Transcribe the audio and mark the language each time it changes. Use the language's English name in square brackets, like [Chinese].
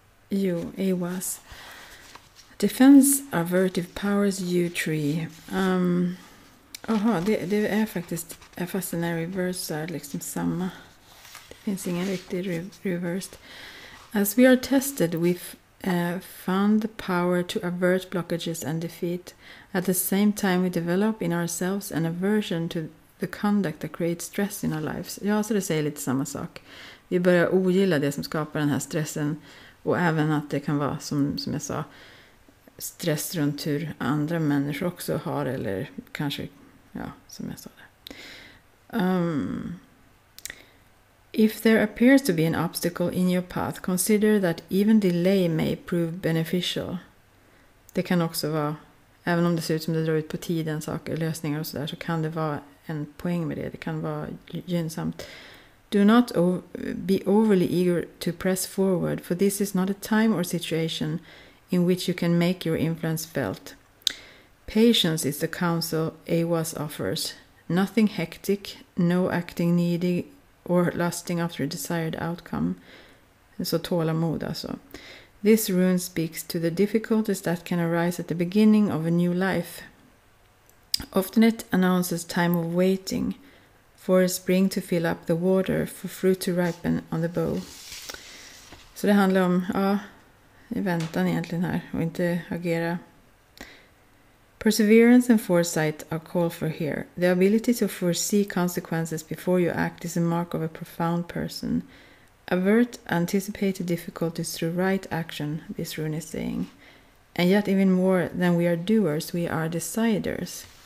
[English] Jo, it was. Defense avertive powers you tree. [Swedish] Aha, det är faktiskt, fast den är reversed, är liksom samma. Det finns ingen riktig reversed. [English] As we are tested, we've found the power to avert blockages and defeat. At the same time, we develop in ourselves an aversion to the conduct that creates stress in our lives. [Swedish] Ja, så det säger lite samma sak. Vi börjar ogilla det som skapar den här stressen. Och även att det kan vara, som jag sa, stress runt hur andra människor också har. Eller kanske, ja, som jag sa det. [English] If there appears to be an obstacle in your path, consider that even delay may prove beneficial. [Swedish] Det kan också vara, även om det ser ut som det drar ut på tiden, saker, lösningar och sådär, så kan det vara en poäng med det. Det kan vara gynnsamt. [English] Do not be overly eager to press forward, for this is not a time or situation in which you can make your influence felt. Patience is the counsel AWAS offers. Nothing hectic, no acting needy, or lusting after a desired outcome. [Swedish] Så tålamod alltså. [English] This rune speaks to the difficulties that can arise at the beginning of a new life. Often it announces time of waiting for a spring to fill up the water, for fruit to ripen on the bough. [Swedish] Så det handlar om, ja, i väntan egentligen här och inte agera. [English] Perseverance and foresight are called for here. The ability to foresee consequences before you act is a mark of a profound person. Avert anticipated difficulties through right action, this rune is saying. And yet even more than we are doers, we are deciders.